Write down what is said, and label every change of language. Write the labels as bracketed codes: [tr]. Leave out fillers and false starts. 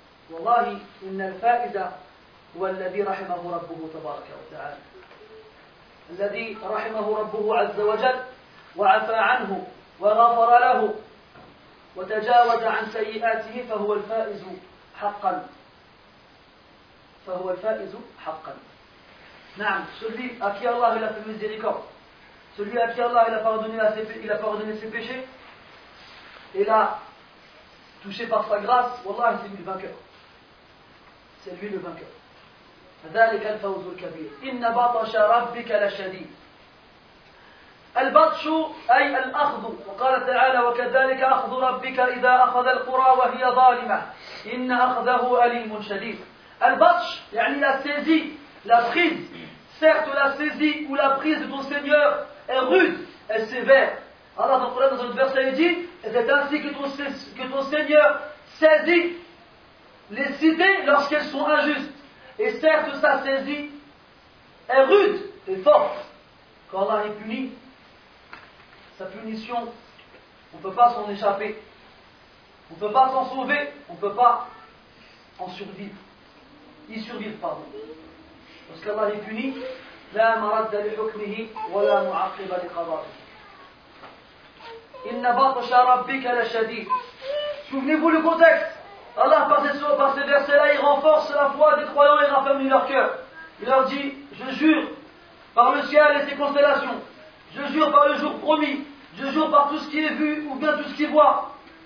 [ar] Wallahi, إن الفائز هو الذي رحمه ربه تبارك وتعالى. الذي رحمه ربه عز وجل وعفى عنه وغفر له وتجاوز عن سيئاته فهو الفائز حقا. فهو الفائز حقا. نعم. [fr] Celui à qui Allah il a fait miséricorde, celui à qui Allah il a pardonné ses péchés et l'a touché par sa grâce, Wallah c'est lui le vainqueur. C'est lui le vainqueur. [ar] ذلك الفوز الكبير. إن بطش ربك لشديد. البطش أي الأخذ. وقال تعالى وكذلك أخذ ربك إذا أخذ القرى وهي ظالمة إن أخذه أليم شديد. البطش يعني [fr] la saisie, la prise. Certes la saisie ou la prise de ton Seigneur est rude, est sévère. Allah dans le Coran dans un verset dit c'est ainsi que ton Seigneur saisit les cités lorsqu'elles sont injustes. Et certes sa saisie est rude et forte. Quand Allah est puni, sa punition, on ne peut pas s'en échapper. On ne peut pas s'en sauver, on ne peut pas en survivre. Y survivre, pardon. Parce qu'Allah est puni. [ar] لا مرد لحكمه ولا معقب لقضائه. إن بطش ربك لشديد. [fr] Souvenez-vous le contexte. Allah, par ces versets-là, il renforce la foi des croyants et raffermit leur cœur. Il leur dit, je jure par le ciel et ses constellations. Je jure par le jour promis. Je jure par tout ce qui est vu ou bien tout ce qui voit.